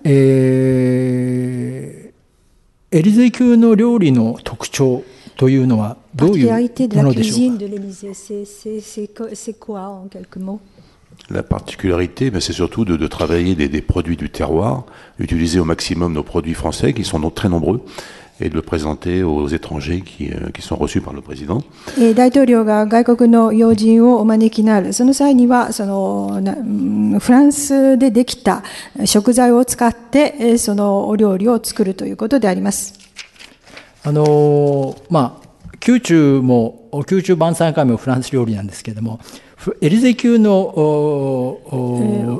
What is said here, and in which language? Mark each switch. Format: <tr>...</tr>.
<ja>エリゼ級の料理の特徴というのはどういうものでしょうか？</ja> <fr>La cuisine de l'Élysée, c'est quoi en quelques mots? La particularité, mais c'est surtout de travailler des produits du terroir, utiliser au maximum nos produits français qui sont très nombreux. Et de le présenter aux étrangers qui sont reçus par le président. Et</fr> <ja>大統領が外国の要人をお招きになる。その際には、そのフランスでできた食材を使ってそのお料理を作るということであります。まあ宮中も宮中晩餐会もフランス料理なんですけれども、エリゼ級の</ja>